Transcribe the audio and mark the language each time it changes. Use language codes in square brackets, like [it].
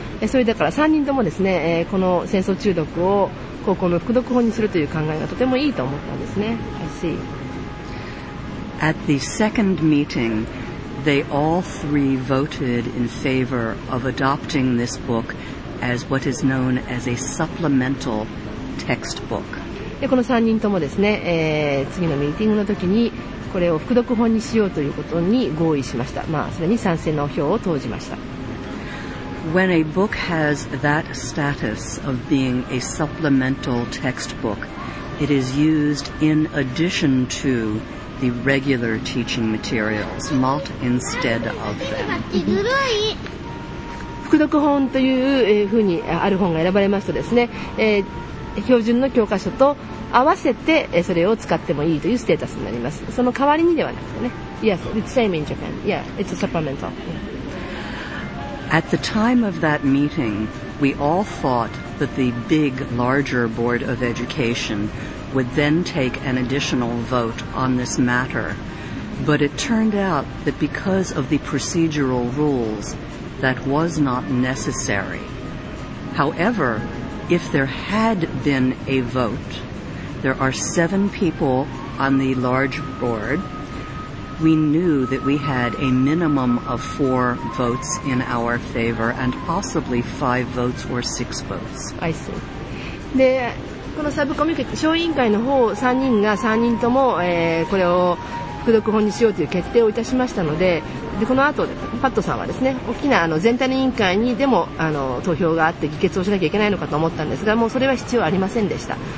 [ja] それだから3人ともですね、この戦争中毒を高校の副読本にするという考えがとてもいいと思ったんですね。 [en] I see At the second meeting, they all three voted in favor of adopting this book as what is known as a supplemental textbook. [ja] で、この3人ともですね、次のミーティングの時にこれを副読本にしようということに合意しました。まあ、それに賛成の票を投じました。 When a book has that status of being a supplemental textbook, it is used in addition to... the regular teaching materials, not instead of them. 副読本というふうにある本が選ばれますとですね、標準の教科書と合わせてそれを使ってもいいというステータスになります。その代わりにではなくてね。 [en] Yes, it's the same in Japan. Yeah, it's a supplemental. At the time of that meeting, we all thought that the big, larger Board of Educationwould then take an additional vote on this matter. But it turned out that because of the procedural rules, that was not necessary. However, if there had been a vote, there are 7 people on the large board. We knew that we had a minimum of 4 votes in our favor and possibly 5 votes or 6 votes. I see. [ja] このサブコミュニケーション小委員会の方3人が3人とも、これを副読本にしようという決定をいたしましたの で, でこの後パットさんはですね大きなあの全体の委員会にでもあの投票があって議決をしなきゃいけないのかと思ったんですがもうそれは必要ありませんでした。